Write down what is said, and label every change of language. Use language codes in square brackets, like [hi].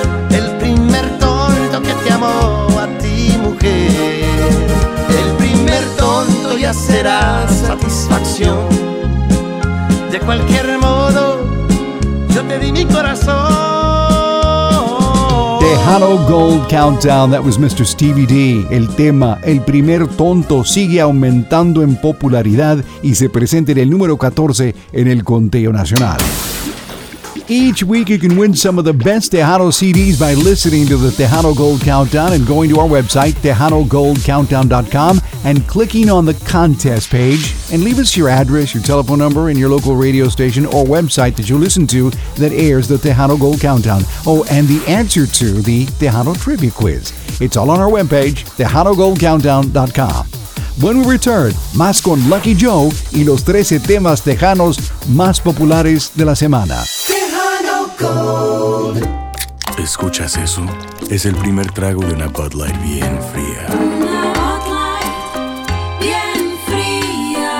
[es] El primer tonto que te amó a ti, mujer. El primer tonto ya será satisfacción. De cualquier modo, yo te di mi corazón. [en] Tejano Gold Countdown, that was Mr. Stevie D. [es] El tema, El Primer Tonto, sigue aumentando en popularidad y se presenta en el número 14 en el conteo nacional. [en] Each week you can win some of the best Tejano CDs by listening to the Tejano Gold Countdown and going to our website, TejanoGoldCountdown.com, and clicking on the contest page, and leave us your address, your telephone number, and your local radio station or website that you listen to that airs the Tejano Gold Countdown. Oh, and the answer to the Tejano Trivia Quiz. It's all on our webpage, TejanoGoldCountdown.com. When we return, [es] más con Lucky Joe y los 13 temas tejanos más populares de la semana. Gold. ¿Escuchas eso? Es el primer trago de una Bud Light bien fría. Una Bud Light bien fría.